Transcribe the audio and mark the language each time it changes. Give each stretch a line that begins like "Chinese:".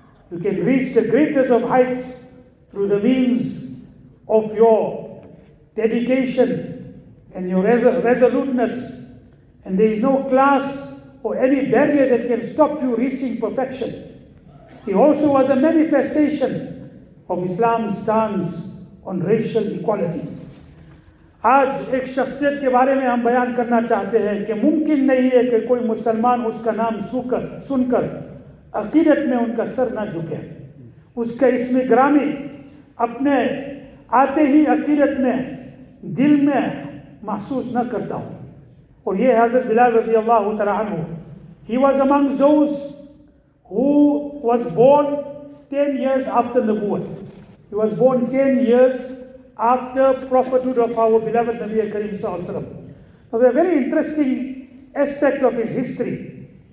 English: You can reach the greatest of heights through the means of your dedication and your resoluteness. And there is no class or any barrier that can stop you reaching perfection. He also was a manifestation of Islam's stance on racial equality.
Urdu: آج ایک شخصیت کے بارے میں ہم بیان کرنا چاہتے ہیں کہ ممکن نہیں ہے کہ کوئی مسلمان اس کا نام سن کر عقیدت میں ان کا سر نہ جھکے. اس کا اسم گرامی اپنے آتے ہی عقیدت میں دل میں محسوس نہ کرتا ہوں. اور یہ حضرت بلال
Arabic: رضی اللہ تعالیٰ عنہ.
English: He was amongst those who was born 10 years after نبوت. He was born 10 years after prophethood of our beloved Nabi Kareem
Arabic: sallallahu alaihi wasallam.
English: Now there's a very interesting aspect of his history.